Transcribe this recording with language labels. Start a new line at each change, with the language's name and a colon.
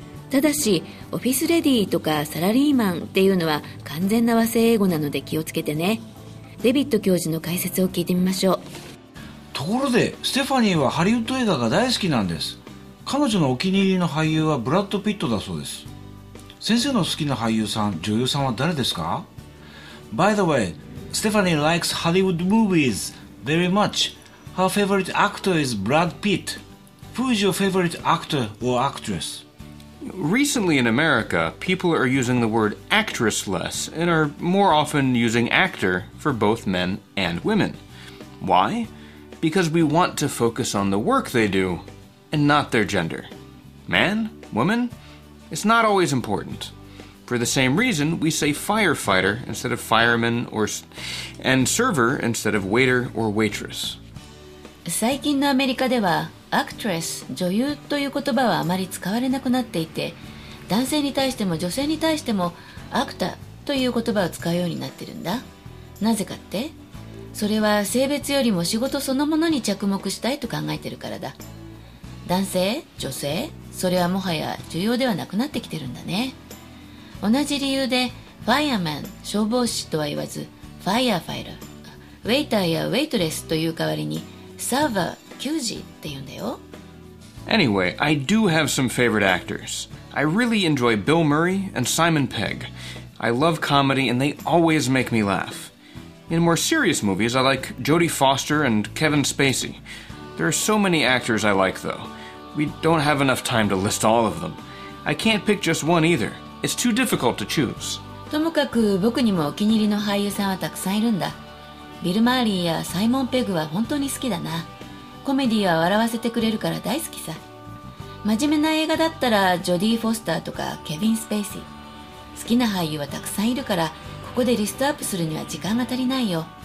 Japanese: ただし、オフィスレディーとかサラリーマンっていうのは完全な和製英語なので気をつけてね。デビット教授の解説を聞いてみましょう。ところで、ステファニーはハリウッド映画が大好きなんです。彼女のお気に入りの俳優はブラッド・ピットだそうです。先生の好きな俳優さん、女優さんは誰ですか？
English: By the way, Stephanie likes Hollywood movies very much. Her favorite actor is Brad Pitt. Who is your favorite actor or actress? Recently in America, people are using the word actress less and are more often using actor for both men and women. Why? Because we want to focus on the work they do and not their gender. Man? Woman? It's not always important. For the same reason, we say firefighter instead of fireman and server instead of waiter or waitress.
Japanese: 最近のアメリカではアクトレス、女優という言葉はあまり使われなくなっていて、男性に対しても女性に対してもアクターという言葉を使うようになってるんだ。なぜかって、それは性別よりも仕事そのものに着目したいと考えてるからだ。男性、女性、それはもはや重要ではなくなってきてるんだね。同じ理由でファイアマン、消防士とは言わずファイアファイラー、ウェイターやウェイトレスという代わりにサーバー、球児って言うんだよ。
English: Anyway, I do have some favorite actors. I really enjoy Bill Murray and Simon Pegg. I love comedy and they always make me laugh. In more serious movies, I like Jodie Foster and Kevin Spacey. There are so many actors I like though. We don't have enough time to list all of them. I can't pick just one either. It's too difficult to choose.
Japanese: ともかく僕にもお気に入りの俳優さんはたくさんいるんだ。ビル・マーリーやサイモン・ペグは本当に好きだな。コメディは笑わせてくれるから大好きさ。真面目な映画だったらジョディ・フォスターとかケビン・スペイシー。好きな俳優はたくさんいるから、ここでリストアップするには時間が足りないよ。